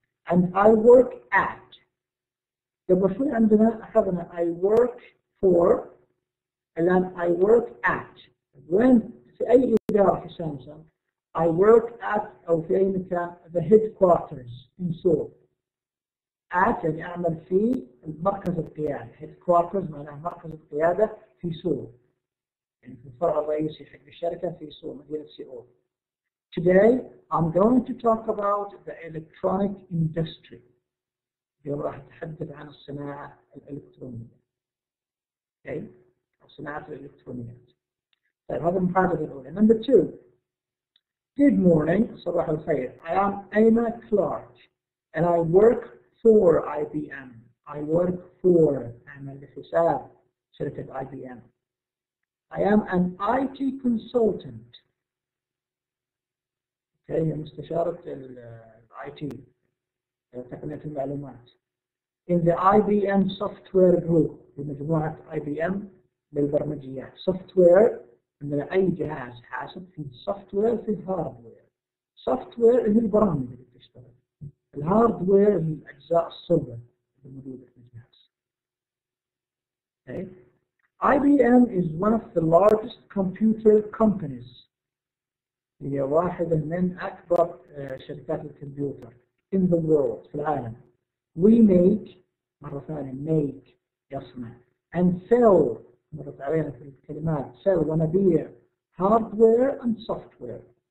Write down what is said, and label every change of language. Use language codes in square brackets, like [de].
[en] And I work at، [ar] قبل شوي عندنا أخذنا [en] I work for، [ar] الآن [en] I work at، [ar] وين في أي إدارة في سامسونج؟ [en] I work at [ar] أو في أي مكان؟ [en] The headquarters in Seoul. [ar] At يعني أعمل في المركز القيادة، headquarters معناها مركز القيادة في Seoul. الفرع الرئيسي حق الشركة في سول، مدينة سيول. [en] Today I'm going to talk about the electronic industry. [ar] اليوم راح أتحدث عن الصناعة الإلكترونية. Okay؟ صناعة الإلكترونيات. طيب هذا المحادثة الأولى. [en] Number two. Good morning. [ar] صباح الخير. [en] I am Emma Clark and I work for IBM. I work for، [ar] أعمل لحساب شركة IBM. [en] I am an IT consultant. [ar] Okay, مستشارة IT، تقنية المعلومات. [en] In the IBM software group، [ar] في مجموعة IBM للبرمجيات. Software، عندنا أي جهاز حاسب، في software في hardware. Software هي البرامج اللي تشتغل. الهاردوير هي الأجزاء الصلبة اللي موجودة في الجهاز. [en] Okay. IBM is one of the largest computer companies. [ar] هي واحدة من أكبر شركات الكمبيوتر [en] in the world، [ar] في العالم. [en] We make، [ar] مرة ثانية [en] make [ar] يصنع، [en] and sell [ar] مرت علينا في الكلمات سيل ونبيع [en] hardware and software.